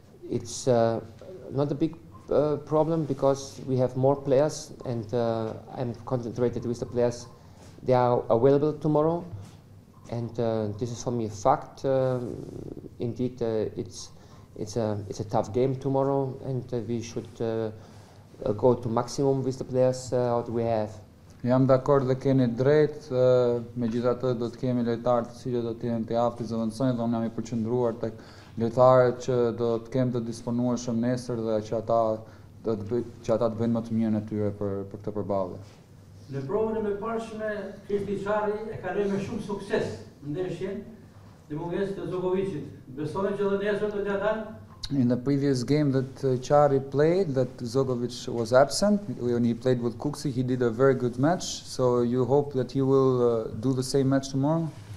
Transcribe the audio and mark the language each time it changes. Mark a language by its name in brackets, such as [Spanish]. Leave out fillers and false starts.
[English] It's not a big problem because we have more players, and I'm concentrated with the players. They are available tomorrow, and this is for me a fact. Indeed, it's a tough game tomorrow, and we should go to maximum with the players that we have. [Albanian] Jam dakord dhe keni drejt, megjithatë do të kemi lojtarë të cilët do të jenë të aftë të zëvendësojnë dhe unë jam i përqendruar tek lojtarët që do të kemi të disponueshëm nesër dhe që ata do të bëjnë më të mirën e tyre për këtë përballje. Në provën e mëparshme, Kristi Çarri e ka rënë me shumë sukses ndeshjen dhe mungesë të Zogovicit. Besohet që edhe nesër do t'ia dalë. [English] In the previous game that Çarri played, that Zogovic was absent, when he played with Kuksi, he did a very good match. So you hope that he will do the same match tomorrow?